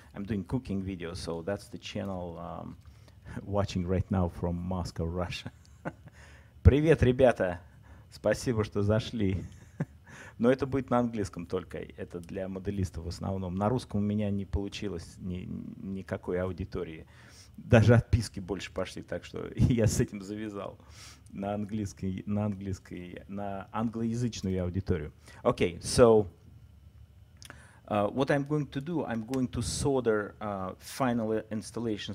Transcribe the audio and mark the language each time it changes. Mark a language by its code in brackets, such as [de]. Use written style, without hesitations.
[en] I'm doing cooking videos, so that's the channel watching right now from Moscow, Russia. [ru] Привет, ребята! Спасибо, что зашли. Но это будет на английском только. Это для моделистов в основном. На русском у меня не получилось никакой аудитории. Даже отписки больше пошли, так что я с этим завязал на англоязычную аудиторию. [en] Okay, so what I'm going to do, I'm going to solder final installation.